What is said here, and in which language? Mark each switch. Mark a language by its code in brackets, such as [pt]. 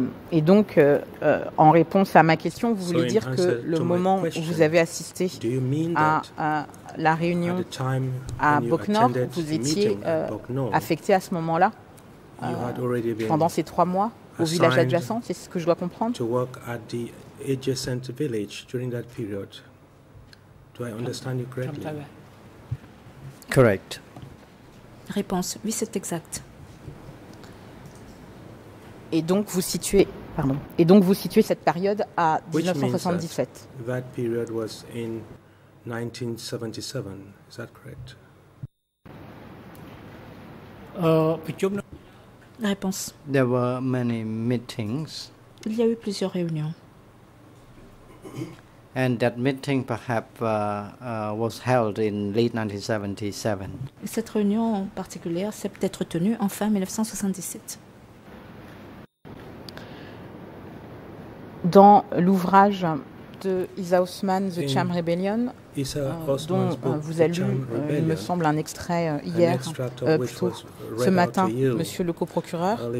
[fr] Et donc, en réponse à ma question, vous voulez [en] so [fr] dire que le moment [en] question, [fr] où vous avez assisté à la réunion à Boknor, vous étiez affecté à ce moment-là, pendant ces trois mois, au village adjacent, c'est ce que je dois comprendre? [en] To work at the adjacent village during that period. Do I understand you correctly? Correct. [fr] Réponse, oui, c'est exact. Et donc vous situez, pardon. Et donc vous situez cette période à 1977. [en] Which means that, that period was in 1977. Is that correct? [fr] Réponse. [en] There were many meetings. [fr] Il y a eu plusieurs réunions. [en] And that meeting perhaps was held in late 1977. [fr] Et cette réunion en particulier s'est peut-être tenue en fin 1977. Dans l'ouvrage de Isa Osman, The Cham Rebellion, dont vous avez lu, il me semble, un extrait hier, plutôt ce matin, monsieur le coprocureur,